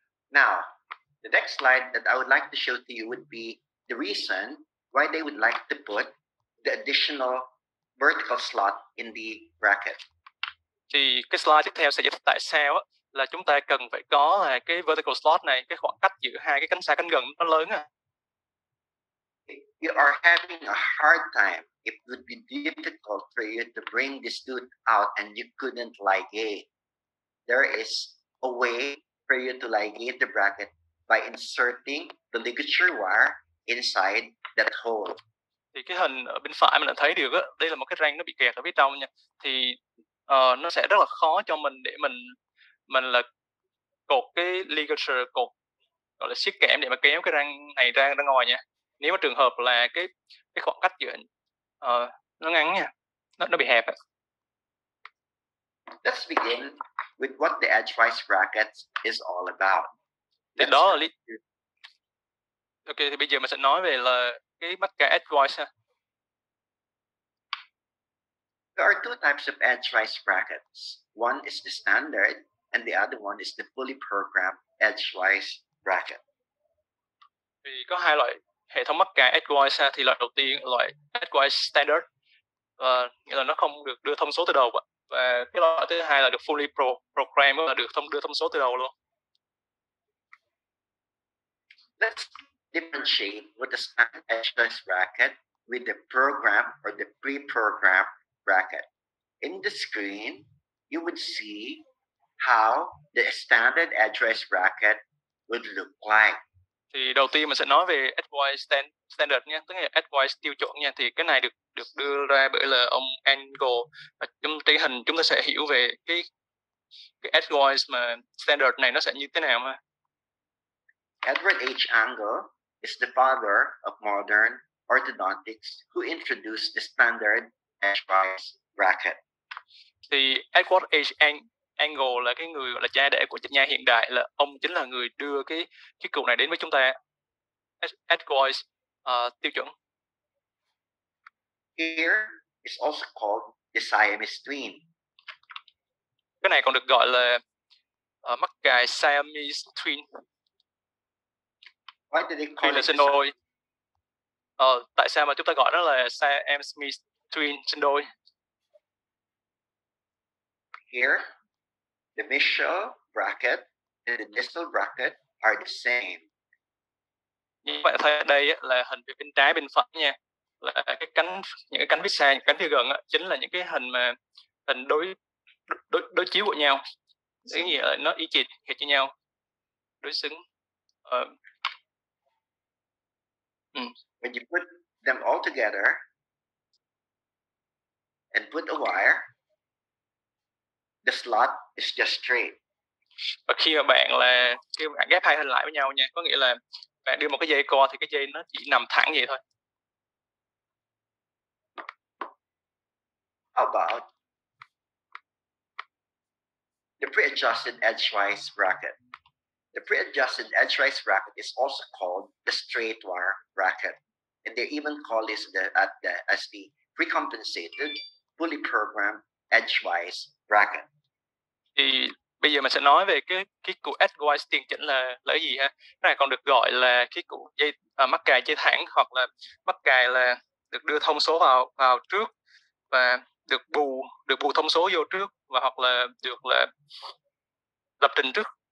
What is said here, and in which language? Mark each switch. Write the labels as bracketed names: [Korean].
[English] Now, the next slide that I would like to show to you would be the reason why they would like to put the additional vertical slot in the bracket. [Vietnamese] Thì cái slide tiếp theo sẽ giải thích tại sao là chúng ta cần phải có cái vertical slot này, cái khoảng cách giữa hai cái cánh xa cánh gần nó lớn à. [English] You are having a hard time. It would be difficult for you to bring this dude out and you couldn't ligate. There is a way for you to ligate the bracket by inserting the ligature wire inside that hole. [Vietnamese] Thì cái hình ở bên phải mình đã thấy được á, đây là một cái răng nó bị kẹt ở phía trong nha. Thì nó sẽ rất là khó cho mình để mình là cột cái ligature, cột gọi là siết kẽm để mà kéo cái răng này ra ngoài nha. Nếu mà trường hợp là cái khoảng cách giữa nó ngắn nha, nó bị hẹp. [English] Let's begin with what the edgewise brackets is all about. [Vietnamese] Thì đó là lý. Ok, thì bây giờ mình sẽ nói về là cái mắc cả edgewise ha. [English] There are two types of edgewise brackets. One is the standard and the other one is the fully programmed edgewise bracket. [Vietnamese] Thì có hai loại hệ thống mắc cả edgewise ha. Thì loại đầu tiên là loại edgewise standard. Nghĩa là nó không được đưa thông số từ đầu. Và cái loại thứ hai là được fully program, là được đưa thông số từ đầu luôn. [English] Let's differentiate with the standard edgewise bracket with the program or the pre-program bracket. In the screen, you would see how the standard edgewise bracket would look like. [Vietnamese] Thì đầu tiên mình sẽ nói về edgewise standard nha, tức là edgewise tiêu chuẩn nha. Thì cái này được đưa ra bởi là ông Engel. Và trong trên hình chúng ta sẽ hiểu về cái edgewise mà standard này nó sẽ như thế nào ha. [English] Edward H. Engel is the father of modern orthodontics who introduced the standard edgewise bracket. [Vietnamese] Thì Edward H. Engel là cái người gọi là cha đẻ của chỉnh nha hiện đại, là ông chính là người đưa cái cụ này đến với chúng ta, edgewise tiêu chuẩn. [English] Here is also called the Siamese twin. [Vietnamese] Cái này còn được gọi là mắc cài Siamese twin. [English] Why did they call it [Vietnamese] sinh đôi? Tại sao mà chúng ta gọi nó là Siamese twin, sinh đôi? [English] Here, the mischial bracket and the distal bracket are the same. [Vietnamese] Như vậy thấy đây là hình phía bên trái bên phải nha, là cái cánh, những cái cánh phía xa, cánh phía gần á, chính là những cái hình mà hình đối chiếu của nhau, ý nghĩa là nó y chịt hệt như nhau, đối xứng. [English] When you put them all together and put a wire, the slot is just straight. [Vietnamese] Và khi mà bạn ghép hai hình lại với nhau nha, có nghĩa là bạn đưa một cái dây co thì cái dây nó chỉ nằm thẳng vậy thôi. [English] How about the pre-adjusted edgewise bracket? The pre-adjusted edgewise bracket is also called the straight wire bracket. And they even call this as the pre-compensated, fully programmed edgewise bracket. [Vietnamese] Thì bây giờ mình sẽ nói về cái cụ edgewise tiền chỉnh là cái gì ha? Cái này còn được gọi là cái cụ dây mắc cài dây thẳng, hoặc là mắc cài là được đưa thông số vào trước và được bù thông số vô trước, và hoặc là được là lập trình trước.